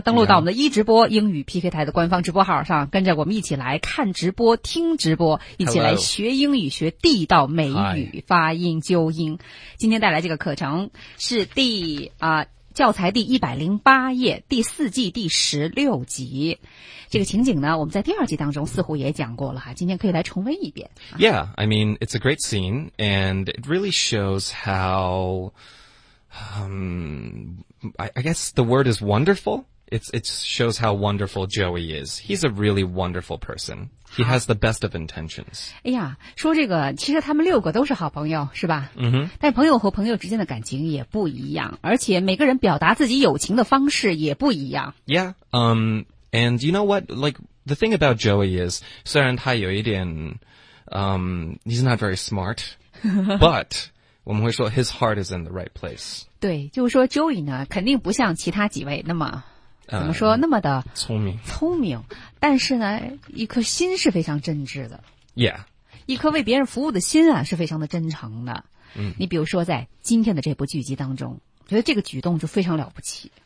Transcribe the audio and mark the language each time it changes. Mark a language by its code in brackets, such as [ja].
[zh] 登录到我们的一直播英语 PK 台的官方直播号上，跟着我们一起来看直播听直播，一起来学英语，学地道美语、发音纠音。今天带来这个课程是第教材第108页第四季第16集。这个情景呢我们在第二集当中似乎也讲过了，今天可以来重温一遍。 [en] Yeah, I mean, it's a great scene, and it really shows how, I guess the word is wonderful. It shows how wonderful Joey is. He's a really wonderful person. He has the best of intentions. [zh] 哎呀，说这个，其实他们六个都是好朋友，是吧？但朋友和朋友之间的感情也不一样，而且每个人表达自己友情的方式也不一样。 [en] Yeah, and you know what? Like, the thing about Joey is, [zh] 虽然他有一点, [en] he's not very smart, but [zh] 我们会说 [en] his heart is in the right place. [zh] 对，就是说 Joey 呢，肯定不像其他几位那么怎么说那么的聪明但是呢一颗心是非常真挚的 [en] Yeah [zh] 一颗为别人服务的心啊是非常的真诚的你比如说在今天的这部剧集当中觉得这个举动就非常了不起